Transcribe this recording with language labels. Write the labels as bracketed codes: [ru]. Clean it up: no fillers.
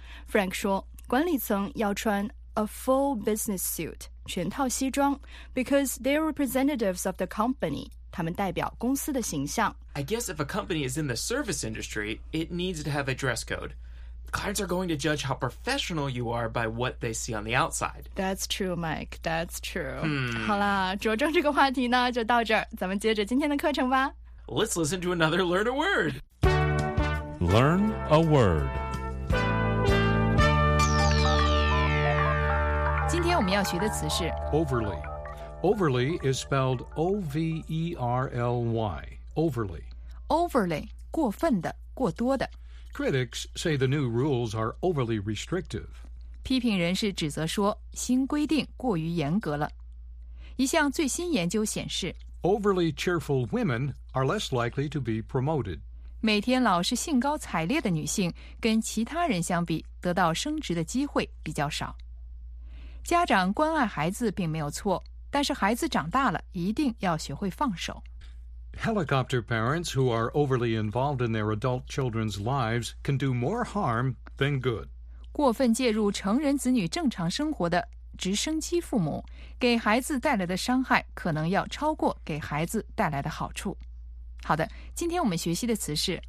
[en] Frank [zh] 说，管理层要穿 [en] a full business suit, [zh] 全套西装 [en] because they're representatives of the company. [zh] 他们代表公司的形象。 [en] I guess if a company is in the service industry, it needs to have a dress code. Clients are going to judge how professional you are by what they see on the outside. That's true, Mike. That's true.、 Hmm. [zh] 好啦，着装这个话题呢就到这儿，咱们接着今天的课程吧。 [en] Let's listen to another Learn a Word. Learn a Word. [zh] 今天我们要学的词是 [en] Overly. Overly is spelled O-V-E-R-L-Y. Overly. [zh] Overly. 过分的，过多的。 [en] Critics say the new rules are overly restrictive. [zh] 批评人士指责说，新规定过于严格了。一项最新研究显示， [en] Overly cheerful women are less likely to be promoted. [zh] 每天老是兴高采烈的女性，跟其他人相比，得到升职的机会比较少。家长关爱孩子并没有错，但是孩子长大了，一定要学会放手。 [en] Helicopter parents who are overly involved in their adult children's lives can do more harm than good. [zh] 过分介入成人子女正常生活的直升机父母，给孩子带来的伤害可能要超过给孩子带来的好处。好的，今天我们学习的词是